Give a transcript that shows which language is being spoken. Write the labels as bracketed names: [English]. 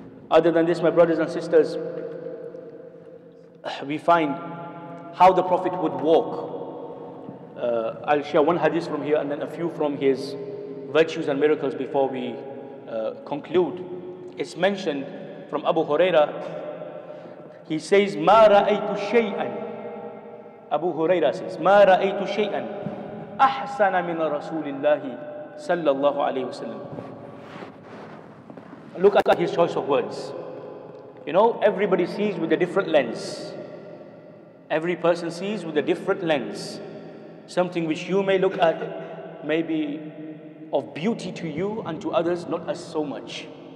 [English] Other than this, my brothers and sisters, we find how the Prophet would walk. I'll share one hadith from here and then a few from his virtues and miracles before we conclude. It's mentioned from Abu Huraira. He says, [Arabic] مَا رَأَيْتُ شَيْئًا. [English] Abu Huraira says, [Arabic] مَا رَأَيْتُ شَيْئًا أَحْسَنَ مِنَ رَسُولِ اللَّهِ صَلَّى اللَّهُ عَلَيْهُ وَسَلَّمُ. [English] Look at his choice of words. You know, everybody sees with a different lens. Every person sees with a different lens. Something which you may look at may be of beauty to you and to others, not as so much.